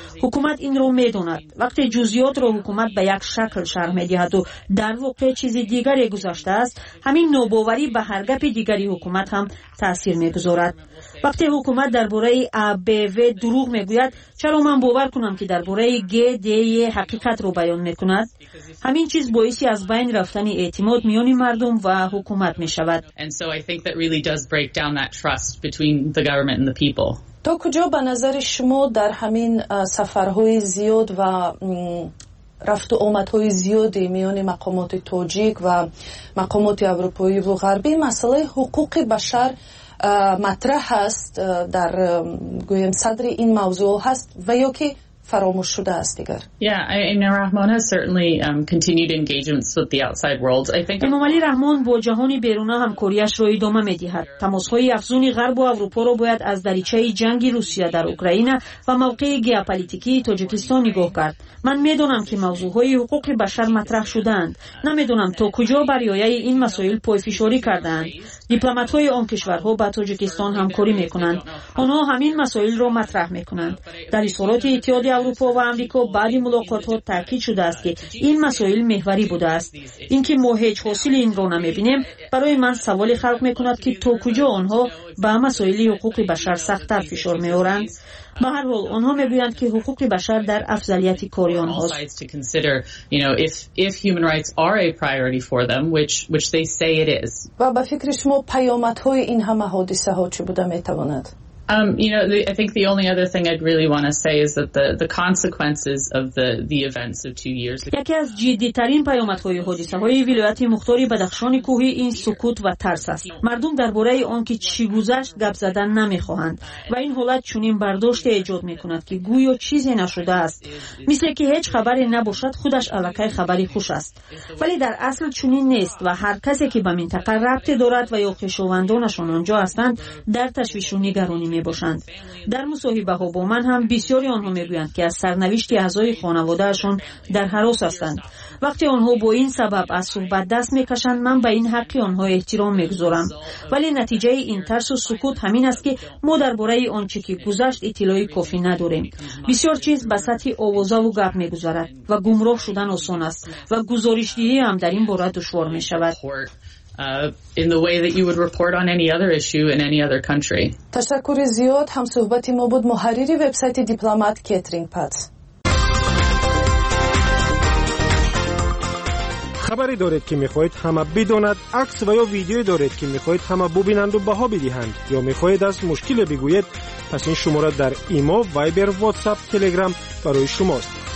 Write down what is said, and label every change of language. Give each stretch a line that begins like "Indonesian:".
Persian: حکومت این را می داند. وقتی جزئیات را حکومت به یک شکل شرح می دهد و در واقع چیزی دیگری گذاشته است، همین نوباوری به هر گپ دیگری حکومت هم تأثیر می گذارد. وقتی حکومت درباره ABV دروغ میگوید، چرا من باور کنم که درباره GDE حقیقت را بیان میکند؟ همین چیز باعث از بین رفتن اعتماد میان مردم و حکومت میشود.
English: And so I think that really does break down that trust between the government and the people.
Persian: تا تو کجا به نظر شما در همین سفرهای زیاد و رفت و آمدهای زیادی میان مقامات تاجیک و مقامات اروپایی و غربی مسئله حقوق بشر مطرح است در گویم صدر این موضوع هست و یا که فراموش شده است دیگر؟
English: Rahmon has certainly continued engagements with the outside world. I think
Persian: امام علی رحمان با جهان بیرون همکاریش را ادامه می دهد. تماس‌های افزون غرب و اروپا را باید از دریچه جنگ روسیه در اوکراین و موقع گیاپولیتیکی تاجیکستان نگاه کرد. من می دانم که موضوع‌های حقوق بشر مطرح شدند. نمی دانم تا کجا برای این مسائل پایفشاری کردند. دیپلمات‌های آن کشورها با تاجیکستان همکاری می کنند. آنها همین مسائل را مطرح می کنند. در صورت اتحاد اروپا و امریکا بعد ملاقات ها تاکید شده است که این مسائل محوری بوده است. اینکه ما هیچ حاصل این را نمی بینیم برای من سوالی خلق می کند که تو کجا آنها به مسائل حقوق بشر سخت تر فشار می آورند. به هر حال آنها می گویند که حقوق بشر در افضلیت کاری آنهاست. و به فکر شما پیامت های این همه حادثه ها چی بوده می تواند؟
English: I think the only other thing I'd really want to say is that the consequences of the events of 2 years ago.
Persian: یکی از جدی‌ترین پیامدهای حادثه‌های ولایت مختار بدخشان کوهی این سکوت و ترس است. مردم درباره آن که چی گذشت گپ زدن نمی‌خواهند و این حالت چنین برداشت ایجاد می‌کند که گویا چیزی نشده است. مثل که هیچ خبری نباشد خودش الکی خبری خوش است. ولی در اصل چنین نیست و هر کسی که به منطقه ربطی دارد و یا خویشاوندانشان آنجا هستند در تشویش و نگرانی می باشند. در مصاحبه ها با من هم بسیاری آنها می گویند که از سرنوشت اعضای خانواده اشان در هراس هستند. وقتی آنها با این سبب از صحبت دست می کشند من به این حقی آنها احترام می گذارم. ولی نتیجه این ترس و سکوت همین است که ما درباره آنچه که گذشت اطلاع کافی نداریم. بسیار چیز به سطح آوازه و گپ می گذارد و گمراه شدن آسان است و گزارش دهی هم در این باره دشوار می شود.
English: In the way that you would report on any other issue in any other country.
Persian: تشکر زیاد هم صحبتی ما بود محرری وبسایت دیپلمات کترین پات. خبری دارید که میخواهید همه بدانند؟ عکس و یا ویدیویی دارید که میخواهید همه ببینند و بها بدهند یا میخواهید از مشکل بگویید؟ پس این شماره در ایمو، وایبر، واتساپ، تلگرام برای شماست.